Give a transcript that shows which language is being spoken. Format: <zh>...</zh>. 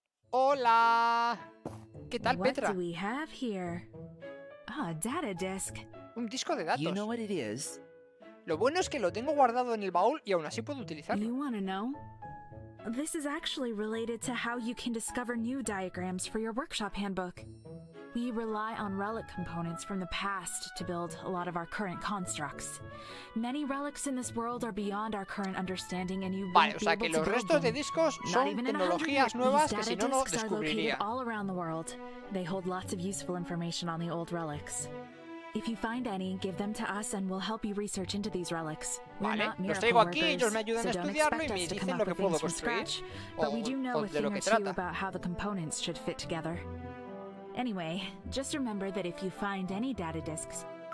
<es>Hola. ¿Qué tal, Petra?</es> <en>What do we have here? Ah, data disk.</en> <es>Un disco de datos.</es> <en>You know what it is?</en> <es>Lo bueno es que lo tengo guardado en el baúl y aún así puedo utilizarlo.</es> <en>You wanna know? This is actually related to how you can discover new diagrams for your workshop handbook. We rely on relic components from the past to build a lot of our current constructs. Many relics in this world are beyond our current understanding and you</en> <es>Vale, o sea que los restos de discos son tecnologías nuevas que si no no descubriría.</es> <en>All around the world, they hold lots of useful information on the old relics. If you find any, give them to us and we'll help you research into these relics.</en> <es>Vale, los traigo aquí, ellos me ayudan a estudiarlo y me dicen lo que puedo construir.</es> <en>But we do know a thing or two about how the components should fit together. Anyway, just remember that if you find any data disks.</en>